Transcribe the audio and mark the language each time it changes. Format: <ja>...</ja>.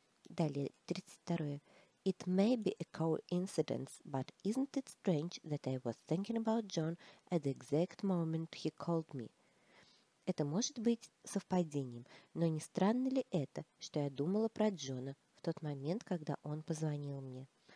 <ru>Далее, 32.</ru> <en>It may be a coincidence, but isn't it strange that I was thinking about John at the exact moment he called me?</en> <ru>Это может быть совпадением, но не странно ли это, что я думала про Джона в тот момент, когда он позвонил мне?</ru>